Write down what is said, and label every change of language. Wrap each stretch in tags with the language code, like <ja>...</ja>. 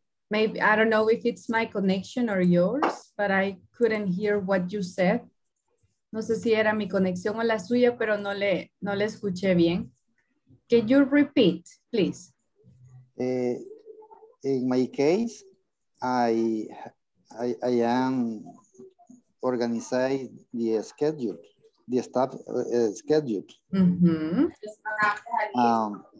<en>Maybe, I don't know if it's my connection or yours, but I couldn't hear what you said.</en> <es>No sé si era mi conexión o la suya, pero no le escuché bien.</es> <en>Can you repeat, please? In my case, I am organizing the staff schedule. Mm-hmm.</en>